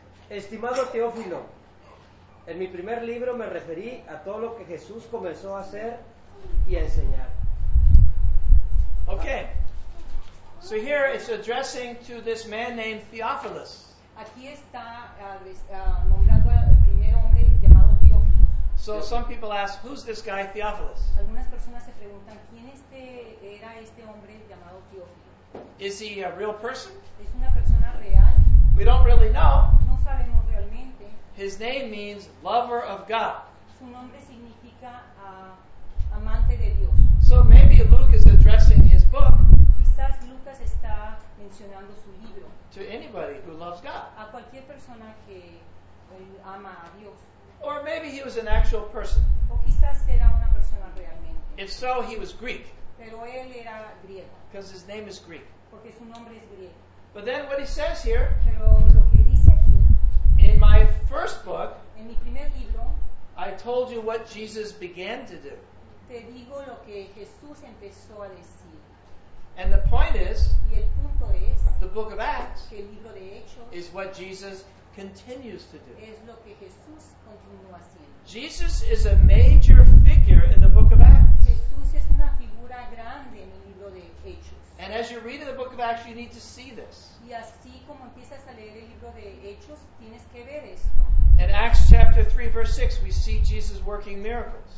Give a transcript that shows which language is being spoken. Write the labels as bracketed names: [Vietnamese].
[Spanish] Estimado Teófilo, en mi primer libro me referí a todo lo que Jesús comenzó a hacer y a enseñar. [English] Okay. So here it's addressing to this man named Theophilus. [Spanish] Aquí está nombrando al primer hombre llamado Teófilo. [English] So some people ask, who's this guy Theophilus? [Spanish] Algunas personas se preguntan quién era este hombre llamado Teófilo. [English] Is he a real person? [Spanish] ¿Es una persona real? [English] We don't really know. [Spanish] No sabemos realmente. [English] His name means lover of God. [Spanish] Su nombre significa amante de Dios. [English] So maybe Luke is addressing his book. [Spanish] Quizás quizás Lucas está mencionando su libro. [English] To anybody who loves God. [Spanish] A cualquier persona que ama a Dios. [English] Or maybe he was an actual person. [Spanish] O quizás era una persona realmente. [English] If so, he was Greek. [Spanish] Pero él era griego. [English] Because his name is Greek. [Spanish] Porque su nombre es griego. [English] But then what he says here, [Spanish] pero lo que dice aquí, [English] in my first book, [Spanish] en mi primer libro, [English] I told you what Jesus began to do. [Spanish] Te digo lo que Jesús empezó a decir. [English] And the point is, [Spanish] y el punto es, [English] the book of Acts, [Spanish] que el libro de Hechos, [English] is what Jesus continues to do. [Spanish] Es lo que Jesús continúa haciendo. [English] Jesus is a major figure in the book of Acts. [Spanish] Jesús es una figura grande en el libro de Hechos. [English] And as you read in the book of Acts, you need to see this. [Spanish] Y así como empiezas a leer el libro de Hechos, tienes que ver esto. [English] In Acts chapter 3, verse 6, we see Jesus working miracles.